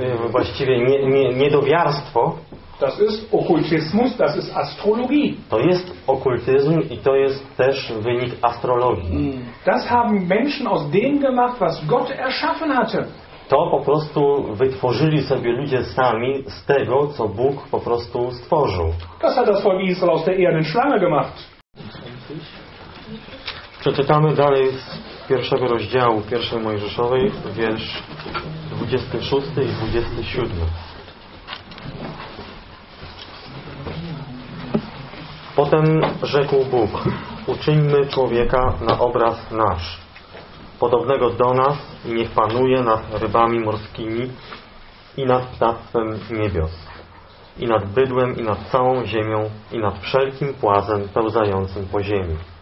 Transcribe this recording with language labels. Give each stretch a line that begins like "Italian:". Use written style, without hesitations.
Polish: Właściwie niedowiarstwo.
German: Das ist Okkultismus, das ist Astrologie.
Polish: To jest okultyzm i to jest też wynik astrologii.
German: Das haben Menschen aus dem gemacht, was Gott erschaffen hatte.
Polish: To po prostu wytworzyli sobie ludzie sami z tego, co Bóg po prostu stworzył.
German: Das hat das Volk Israel aus der ehernen Schlange gemacht.
Polish: Przeczytamy dalej z pierwszego rozdziału pierwszej Mojżeszowej, wiersz 26 i 27. Potem rzekł Bóg: uczyńmy człowieka na obraz nasz, podobnego do nas, i niech panuje nad rybami morskimi i nad ptactwem niebios, i nad bydłem, i nad całą ziemią, i nad wszelkim płazem pełzającym po ziemi.